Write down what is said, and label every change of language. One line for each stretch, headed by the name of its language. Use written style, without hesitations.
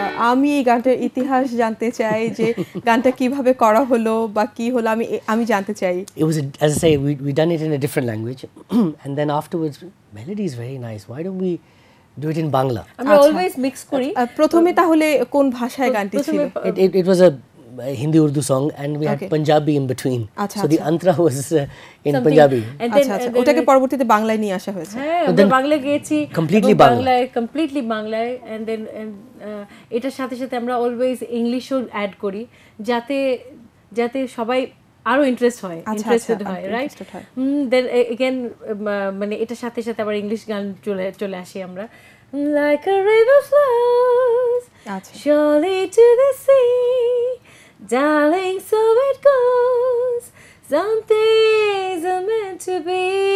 Bangla: আমি এই গানটার ইতিহাস জানতে চাই, যে গানটা কিভাবে করা হলো বা কি হলো আমি আমি জানতে চাই।
English: It was a, as I say, we done it in a different language and then afterwards melody is very nice, why don't we do it in bangla?
Bangla: আমরা অলওয়েজ মিক্স করি। প্রথমে তাহলে কোন ভাষায় গানটি ছিল?
English: It was a Hindi Urdu song and we had Punjabi in between. So the antra was in Punjabi.
Bangla: আচ্ছা, ওটাকে পরবর্তীতে বাংলায় নিয়ে আসা হয়েছে। হ্যাঁ, আমরা বাংলা গেয়েছি, কমপ্লিটলি বাংলায়, কমপ্লিটলি বাংলায়।
English: and then
Bangla: এটার সাথে সাথে আমরা অলওয়েজ ইংলিশও অ্যাড করি, যাতে যাতে সবাই আরো ইন্টারেস্ট হয়, ইন্টারেস্টেড হয়, রাইট? দেন এগেইন মানে এটার সাথে সাথে আবার ইংলিশ গান চলে আসি আমরা।
English: Like a river flows surely to the sea, darling, so it goes, some things are meant to be,